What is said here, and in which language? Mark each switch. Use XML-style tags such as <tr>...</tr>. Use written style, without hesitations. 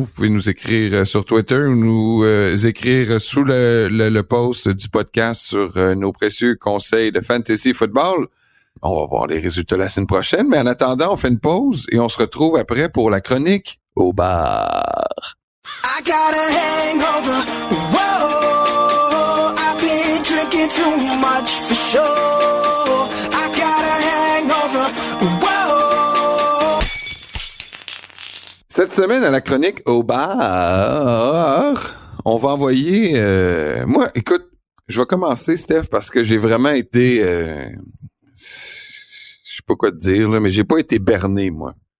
<fr>Vous pouvez nous écrire sur Twitter ou nous écrire sous le post du podcast sur nos précieux conseils de fantasy football. On va voir les résultats la semaine prochaine, mais en attendant, on fait une pause et on se retrouve après pour la chronique au bar.</fr> <en>I got a hangover, whoa, I've been drinking too much for sure, I got a hangover, whoa.</en> <fr>Cette semaine à la chronique au bar, on va envoyer, moi, écoute, je vais commencer, Steph, parce que j'ai vraiment été, je sais pas quoi te dire, là, mais j'ai pas été berné, moi.</fr>